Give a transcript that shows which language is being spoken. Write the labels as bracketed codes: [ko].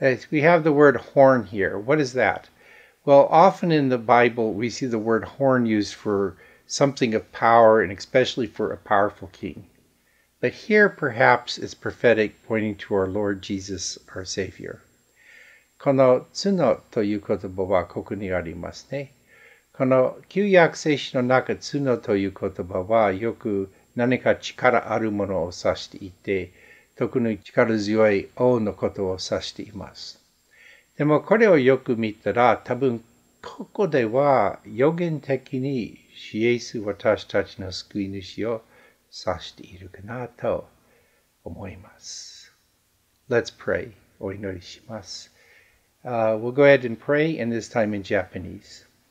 [en] We have the word horn here. What is that? Well, often in the Bible, we see the word horn used for something of power, and especially for a powerful king. But here, perhaps, it's prophetic, pointing to our Lord Jesus, our Savior. [ja] Kono tsuno という言葉はここにありますね。この旧約聖書の中、tsuno という言葉はよく何か力あるものを指していて、特に力強い王のことを指しています。でもこれをよく見たら、多分ここでは予言的に主イエス私たちの救い主を指しているかなと思います。 [en] Let's pray. [ja] お祈りします。 [en] We'll go ahead and pray, and this time in Japanese.